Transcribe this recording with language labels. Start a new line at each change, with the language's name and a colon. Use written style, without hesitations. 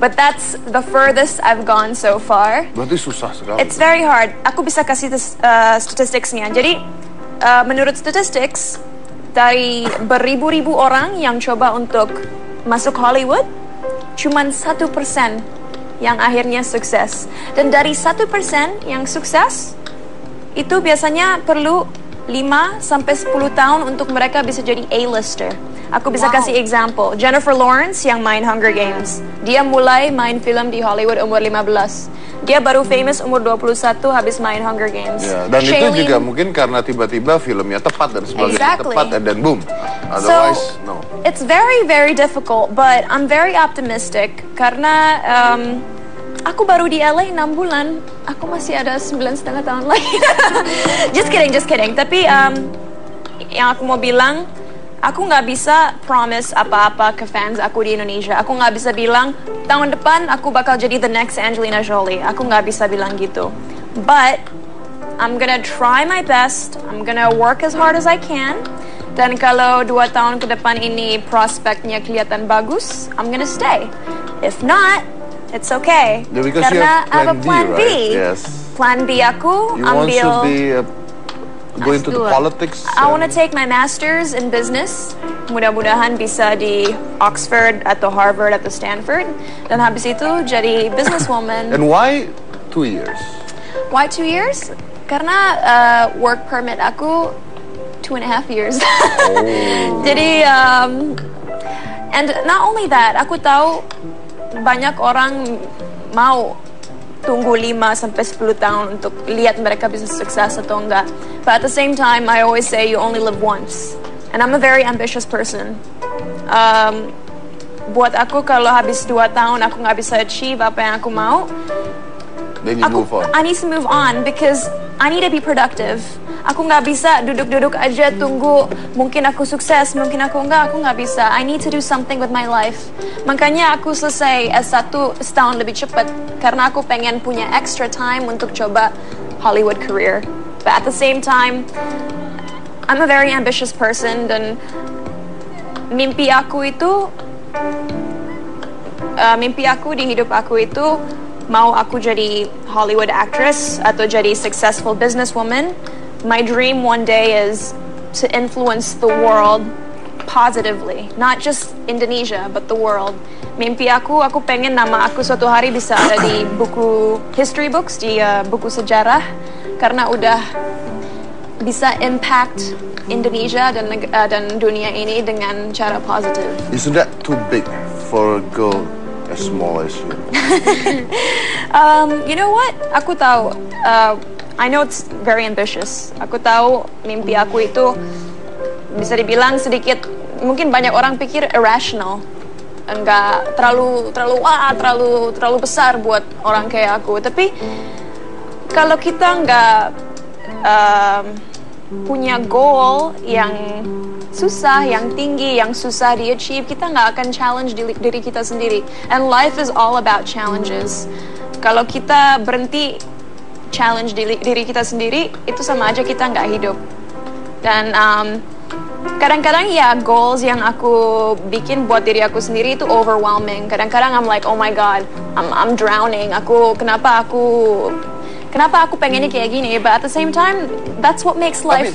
English: But that's the furthest I've gone so far.
Indonesian: Berarti susah sekali.
English: It's very hard.
Indonesian: Aku bisa kasih statistics-nya. Jadi, menurut statistics, dari beribu-ribu orang yang coba untuk masuk Hollywood, cuman 1% yang akhirnya sukses. Dan dari 1% yang sukses, itu biasanya perlu 5-10 tahun untuk mereka bisa jadi A-lister. Aku bisa kasih example. Jennifer Lawrence yang main Hunger Games. Dia mulai main film di Hollywood umur 15. Dia baru famous umur 21 habis main Hunger Games. Ya, dan Shailene, itu juga mungkin karena tiba-tiba filmnya tepat dan sebagainya.
English: Exactly.
Indonesian: Tepat dan
English: boom. Otherwise, so, no. It's very, very difficult, but I'm very optimistic.
Indonesian: Karena aku baru di LA 6 bulan. Aku masih ada 9,5 tahun lagi.
English: just kidding.
Indonesian: Tapi yang aku mau bilang, aku nggak bisa promise apa-apa ke fans aku di Indonesia. Aku nggak bisa bilang, tahun depan aku bakal jadi the next Angelina Jolie. Aku nggak bisa bilang gitu.
English: But, I'm gonna try my best. I'm gonna work as hard as I can.
Indonesian: Dan kalau 2 tahun ke depan ini prospeknya kelihatan bagus,
English: I'm gonna stay. If not, it's okay. Yeah, karena I have a plan B. Right? Yes.
Indonesian: Plan B aku,
English: you
Indonesian: ambil.
English: Go into the politics. I want to take my master's in business.
Indonesian: Mudah-mudahan bisa di Oxford,
English: at the Harvard, at the Stanford.
Indonesian: Dan habis itu jadi businesswoman.
English: And why 2 years? Why 2 years?
Indonesian: Karena work permit aku
English: 2.5 years. Oh.
Indonesian: Jadi,
English: and not only that,
Indonesian: aku tahu banyak orang mau tunggu 5-10 tahun untuk lihat mereka bisa sukses atau enggak.
English: But at the same time, I always say you only live once. And I'm a very ambitious person.
Indonesian: Buat aku kalau habis 2 tahun aku enggak bisa achieve apa yang aku mau,
English: then you move on. I need to move on because I need to be productive.
Indonesian: Aku enggak bisa duduk-duduk aja tunggu mungkin aku sukses, mungkin aku enggak bisa.
English: I need to do something with my life.
Indonesian: Makanya aku selesai S1 setahun lebih cepat karena aku pengen punya extra time untuk coba Hollywood career.
English: But at the same time, I'm a very ambitious person
Indonesian: dan mimpi aku itu di hidup aku itu mau aku jadi Hollywood actress atau jadi successful businesswoman.
English: My dream one day is to influence the world positively, not just Indonesia, but the world.
Indonesian: Mimpi aku pengen nama aku suatu hari bisa ada di buku history books, di buku sejarah, karena udah bisa impact Indonesia dan dunia ini dengan cara positif.
English: Isn't that too big for a girl as small as you? You know what?
Indonesian: Aku tahu.
English: I know it's very ambitious.
Indonesian: Aku tahu mimpi aku itu bisa dibilang sedikit, mungkin banyak orang pikir irrational. Enggak terlalu wah, terlalu besar buat orang kayak aku. Tapi kalau kita enggak punya goal yang susah, yang tinggi, yang susah di achieve, kita enggak akan challenge diri kita sendiri.
English: And life is all about challenges.
Indonesian: Kalau kita berhenti challenge diri kita sendiri, itu sama aja kita enggak hidup. Dan kadang-kadang ya, goals yang aku bikin buat diri aku sendiri itu overwhelming. Kadang-kadang
English: I'm like, oh my god, I'm drowning.
Indonesian: Kenapa aku pengennya kayak gini?
English: But at the same time, that's what makes life